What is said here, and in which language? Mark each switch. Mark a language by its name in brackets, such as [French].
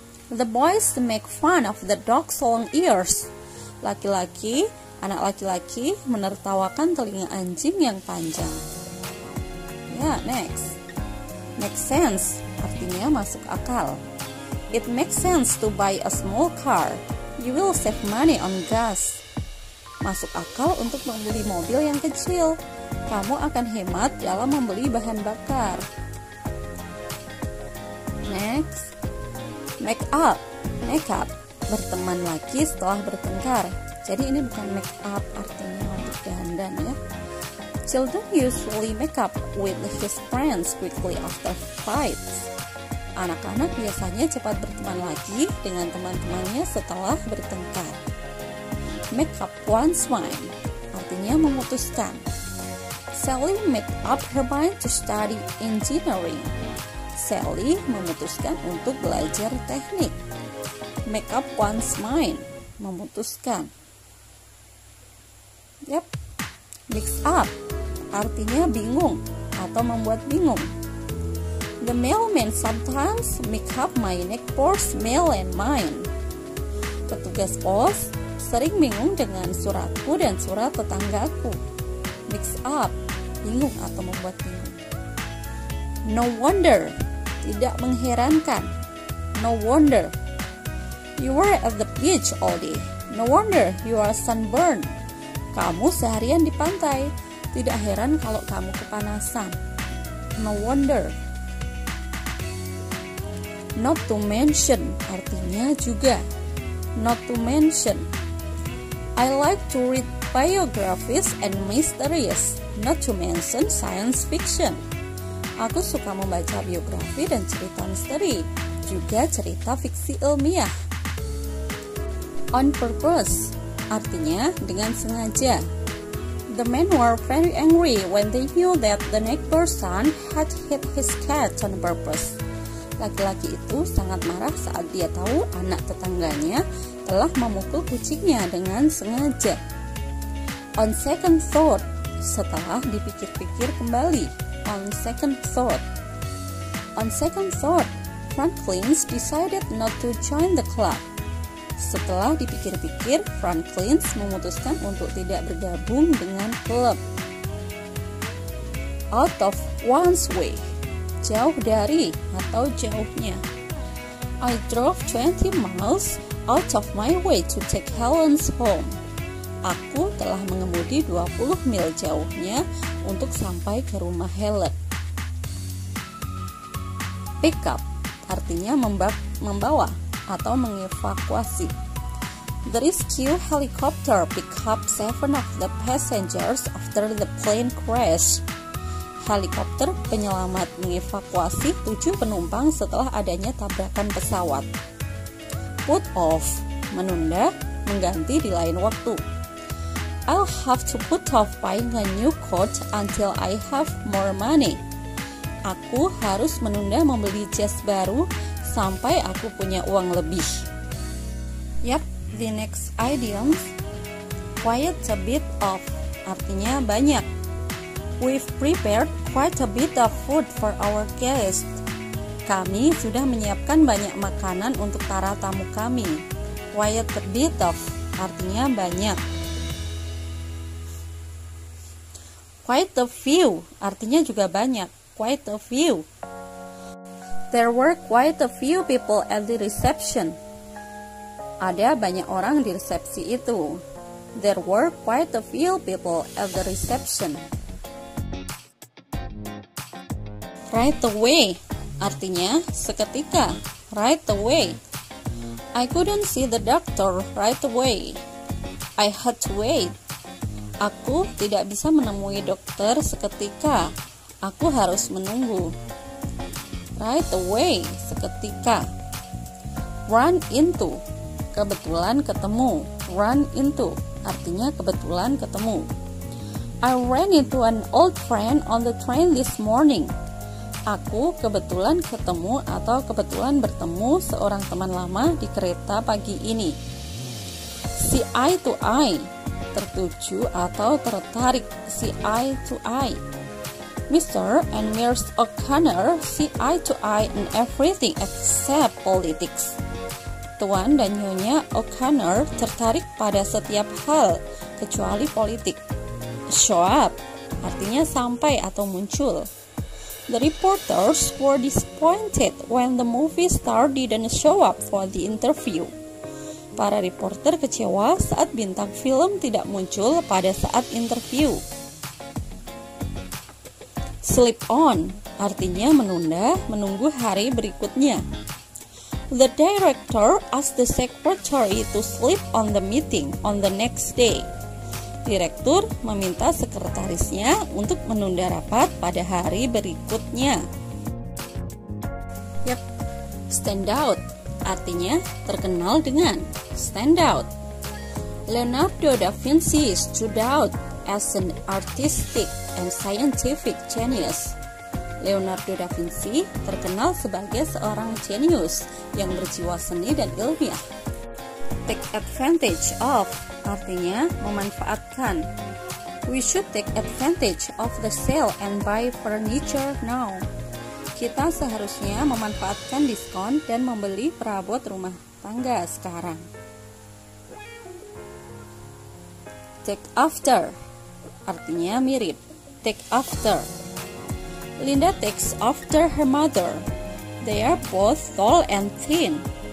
[English] The boys make fun of the dog's long ears. [Indonesian] Laki-laki, anak laki-laki menertawakan telinga anjing yang panjang. [English] Yeah, next. Make sense, [Indonesian] artinya masuk akal. [English] It makes sense to buy a small car. You will save money on gas. [Indonesian] Masuk akal untuk membeli mobil yang kecil. Kamu akan hemat dalam membeli bahan bakar. Next, make up, make up, berteman lagi setelah bertengkar. Jadi ini bukan make up artinya untuk dandan ya. [English] Children usually make up with his friends quickly after fights. [Indonesian] Anak-anak biasanya cepat berteman lagi dengan teman-temannya setelah bertengkar. [English] Make up one's mind, [Indonesian] artinya memutuskan. [English] Sally made up her mind to study engineering. [Indonesian] Sally memutuskan untuk belajar teknik. [English] Make up one's mind, [Indonesian] memutuskan. [English] Yep, mix up, [Indonesian] artinya bingung atau membuat bingung. [English] The mailman sometimes mix up my neck post mail and mine. [Indonesian] Petugas pos sering bingung dengan suratku dan surat tetanggaku. [English] Mix up, [Indonesian] bingung atau membuat bingung. [English] No wonder, [Indonesian] tidak mengherankan. [English] No wonder, you were at the beach all day. No wonder you are sunburned. [Indonesian] Kamu seharian di pantai, tidak heran kalau kamu kepanasan. [English] No wonder. Not to mention, [Indonesian] artinya juga. [English] Not to mention, I like to read biographies and mysteries, not to mention science fiction. [Indonesian] Aku suka membaca biografi dan cerita misteri, juga cerita fiksi ilmiah. [English] On purpose, [Indonesian] artinya dengan sengaja. [English] The men were very angry when they knew that the neighbor's son had hit his cat on purpose. [Indonesian] Laki-laki itu sangat marah saat dia tahu anak tetangganya telah memukul kucingnya dengan sengaja. [English] On second thought, [Indonesian] setelah dipikir-pikir kembali. [English] On second thought. On second thought, Franklin decided not to join the club. [Indonesian] Setelah dipikir-pikir, Franklin memutuskan untuk tidak bergabung dengan klub. [English] Out of one's way, [Indonesian] jauh dari atau jauhnya. [English] I drove 20 miles out of my way to take Helen's home. [Indonesian] Aku telah mengemudi 20 mil jauhnya untuk sampai ke rumah Helen. [English] Pick up, [Indonesian] artinya membawa, atau mengevakuasi. [English] The rescue helicopter picked up 7 of the passengers after the plane crashed. [Indonesian] Helikopter penyelamat mengevakuasi 7 penumpang setelah adanya tabrakan pesawat. [English] Put off, [Indonesian] menunda, mengganti di lain waktu. [English] I'll have to put off buying a new coat until I have more money. [Indonesian] Aku harus menunda membeli jas baru sampai aku punya uang lebih. [English] Yep, the next idiom, quite a bit of, [Indonesian] artinya banyak. [English] We've prepared quite a bit of food for our guests. [Indonesian] Kami sudah menyiapkan banyak makanan untuk para tamu kami. [English] Quite a bit of, [Indonesian] artinya banyak. [English] Quite a few, [Indonesian] artinya juga banyak. [English] Quite a few. There were quite a few people at the reception. [Indonesian] Ada banyak orang di resepsi itu. [English] There were quite a few people at the reception. Right away, [Indonesian] artinya seketika. [English] Right away. I couldn't see the doctor right away. I had to wait. [Indonesian] Aku tidak bisa menemui dokter seketika. Aku harus menunggu. [English] Right away, seketika. Run into, [Indonesian] kebetulan ketemu. Run into, artinya kebetulan ketemu. [English] I ran into an old friend on the train this morning. [Indonesian] Aku kebetulan ketemu atau kebetulan bertemu seorang teman lama di kereta pagi ini. [English] See eye to eye, [Indonesian] tertuju atau tertarik. [English] See eye to eye. Mr. and Mrs. O'Connor see eye to eye in everything except politics. [Indonesian] Tuan dan Nyonya O'Connor tertarik pada setiap hal kecuali politik. [English] Show up, [Indonesian] artinya sampai atau muncul. [English] The reporters were disappointed when the movie star didn't show up for the interview. [Indonesian] Para reporter kecewa saat bintang film tidak muncul pada saat interview. [English] Slip on, [Indonesian] artinya menunda, menunggu hari berikutnya. [English] The director asked the secretary to slip on the meeting on the next day. [Indonesian] Direktur meminta sekretarisnya untuk menunda rapat pada hari berikutnya. [English] Yep, stand out, [Indonesian] artinya terkenal dengan. [English] Stand out. Leonardo da Vinci stood out as an artistic and scientific genius. [Indonesian] Leonardo da Vinci terkenal sebagai seorang genius yang berjiwa seni dan ilmiah. [English] Take advantage of, [Indonesian] artinya memanfaatkan. [English] We should take advantage of the sale and buy furniture now. [Indonesian] Kita seharusnya memanfaatkan diskon dan membeli perabot rumah tangga sekarang. [English] Take after, [Indonesian] artinya mirip. [English] Take after. Linda takes after her mother. They are both tall and thin.